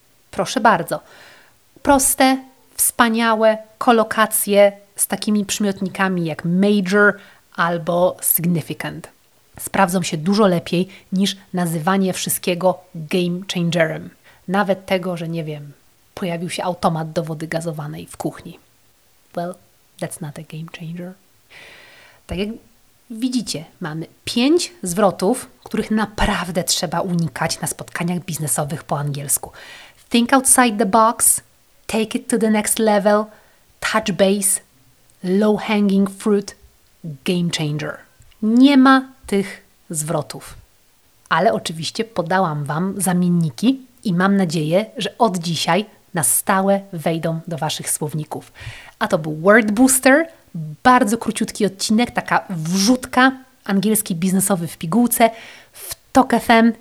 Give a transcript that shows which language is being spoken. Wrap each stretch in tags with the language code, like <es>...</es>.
<pl>Proszę bardzo, proste, wspaniałe kolokacje z takimi przymiotnikami jak major albo significant sprawdzą się dużo lepiej niż nazywanie wszystkiego game changerem. Nawet tego, że nie wiem, pojawił się automat do wody gazowanej w kuchni.</pl> <en>Well, that's not a game changer.</en> <pl>Tak jak widzicie, mamy 5 zwrotów, których naprawdę trzeba unikać na spotkaniach biznesowych po angielsku.</pl> <en>Think outside the box, take it to the next level, touch base, low hanging fruit, game changer.</en> <pl>Nie ma tych zwrotów. Ale oczywiście podałam Wam zamienniki i mam nadzieję, że od dzisiaj na stałe wejdą do Waszych słowników. A to był Word Booster, bardzo króciutki odcinek, taka wrzutka, angielski biznesowy w pigułce, w Talk FM.</pl>